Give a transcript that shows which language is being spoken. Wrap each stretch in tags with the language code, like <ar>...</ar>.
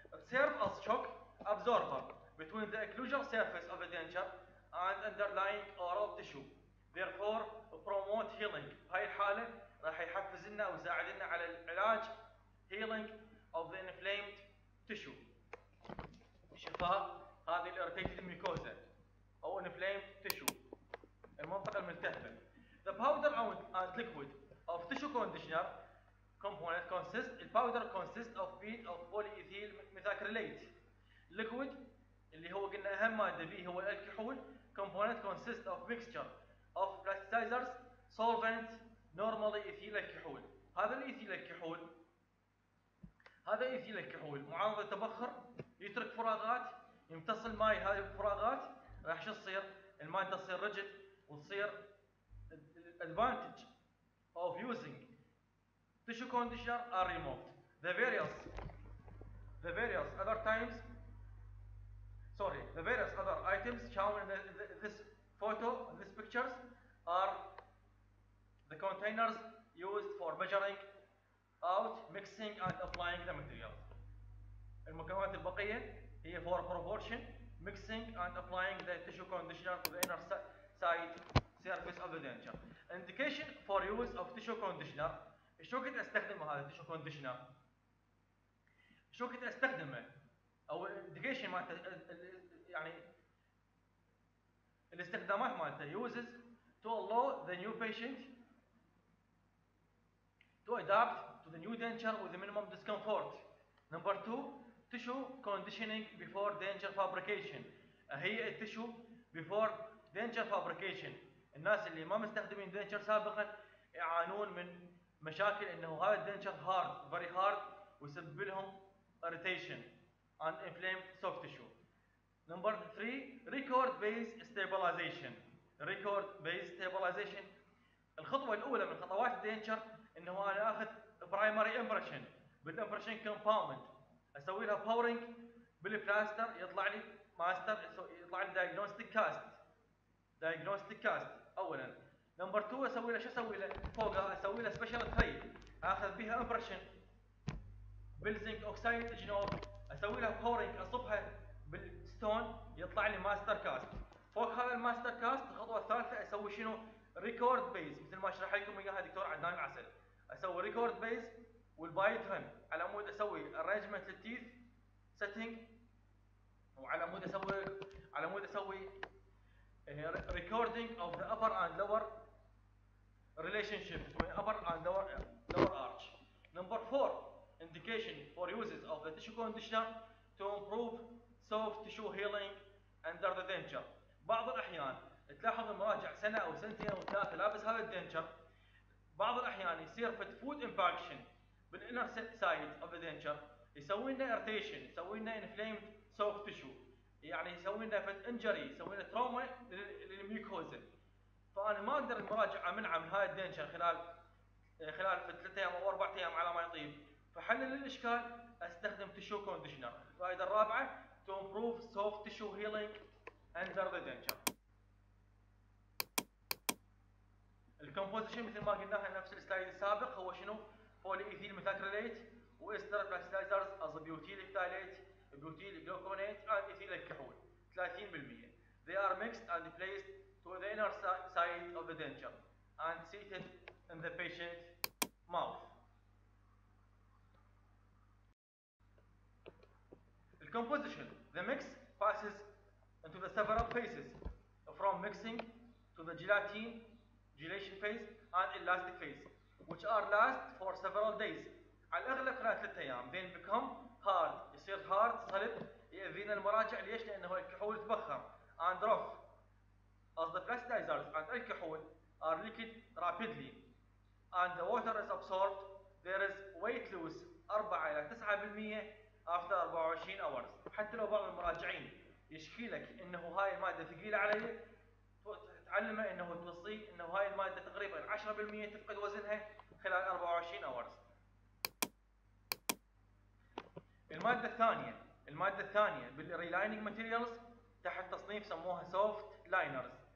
<en>To serve as shock absorber بين the occlusal surface of الدينشر and underlying oral tissue therefore promote healing.</en> <ar>هاي الحالة راح يحفز لنا ويساعد لنا على العلاج</ar> <en>healing of the inflamed tissue,</en> <ar>شفاء هذه الارتيتد ميكوزا او انفليمد تشو المنطقة الملتهبة.</ar> <en>The powder and liquid of tissue conditioner component consists. The powder consists of bead of polyethyl methacrylate.</en> <ar>Liquid اللي هو قلنا أهم مادة فيه هو الكحول.</ar> <en>Component consists of mixture of plasticizers solvent normally ethyl الكحول.</en> <ar>هذا الإيثيل الكحول، هذا إيثيل الكحول معرض للتبخر، يترك فراغات، يمتص الماء هذه الفراغات، راح شو تصير؟ الماء تصير رجد، وتصير</ar> <en>advantage of using tissue conditioner are removed. The various other times, sorry, the various other items shown in this photo, in this pictures, are the containers used for measuring out, mixing and applying the material.</en> <ar>المكونات البقية هي</ar> <en>for proportion, mixing and applying the tissue conditioner to the inner side surface of the denture. Indication for use of tissue conditioner.</en> <ar>شو كنت استخدم هذا</ar> <en>tissue conditioner؟</en> <ar>شو كنت استخدمه؟ او</ar> <en>indication</en> <ar>مالته يعني الاستخدامات مالته</ar> <en>uses to allow the new patient to adapt to the new denture with the minimum discomfort. Number two, tissue conditioning before denture fabrication. هي التissue before denture fabrication.</en> <ar>الناس اللي ما مستخدمين denture سابقا يعانون من مشاكل انه هذا</ar> <en>denture hard, very hard,</en> <ar>ويسبب لهم</ar> <en>irritation and inflamed soft tissue. Number three, record-based stabilization. Record-based stabilization.</en> <ar>الخطوة الأولى من خطوات الدينشر إنه أنا أخذ primary impression بالimpression compound، أسوي لها pouring بالبلاستر، يطلع لي ماستر، يطلع لي diagnostic cast.</ar> <en>Diagnostic cast أولاً.</en> <ar>Number two، أسوي لها شو أسوي لها فوقها؟ أسوي لها special tray، أخذ بها impression بالزنك أوكسيد جنوب، أسوي لها pouring، أصبها بالستون، يطلع لي ماستر كاست. فوق هذا الماستر كاست الخطوة الثالثة أسوي شنو؟ ريكورد بيز، مثل ما شرح لكم إياها دكتور عدنان العسل. أسوي ريكورد بيز والبايت هن على مود أسوي arrangement للتيث setting، وعلى مود أسوي</ar> <en>recording of the upper and lower relationship between upper and lower arch. Number four, indication for uses of the tissue conditioner to improve soft tissue healing under the denture.</en> <ar>بعض الأحيان تلاحظ المراجع سنة أو سنتين أو ثلاثة لابس هذا الدينشر، بعض الأحيان يصير في food impaction بال</ar> <en>inner side of the denture،</en> <ar>يسوي لنا irritation، يسوي لنا</ar> <en>inflamed soft tissue،</en> <ar>يعني يسوي لنا في injury، يسوي لنا trauma للميكوزا. فأنا ما أقدر المراجع أمنع من هذا الدينشر خلال في 3 أيام أو 4 أيام على ما يطيب. فحلل الإشكال أستخدم tissue conditioner. فائدة الرابعة</ar> <en>to improve soft tissue healing under the denture.</en> <ar>الكومبوزيشن مثل ما قلناها نفس السلايد السابق هو شنو؟ بوليإيثيل ميثاكريلات وإستر بلاستيزرز أزوبيوتيل إفتاليت بيوتيل جلوكونات and إيثيل الكحول 30%.</ar> <en>They are mixed and placed to the inner side of the denture and seated in the patient's mouth. Composition. The mix passes into the several phases, from mixing to the gelatin, gelation phase, and elastic phase, which are last for several days.</en> <ar>على الأغلب خلال 3 أيام.</ar> <en>Then become hard.</en> <ar>يصير hard صلب. يأذينا المراجع ليش؟ لأنه الكحول تبخر.</ar> <en>And rough. As the plasticizers and alcohol are leaked rapidly, and the water is absorbed, there is weight loss 4 إلى 9%. After 24 hours.</en> <ar>حتى لو بعض المراجعين يشكي لك انه هاي المادة ثقيلة علي، تعلمه انه توصيه انه هاي المادة تقريبا 10% تفقد وزنها خلال 24 hours. المادة الثانية بالريلايننج ماتيريالز تحت تصنيف سموها سوفت لاينرز.</ar>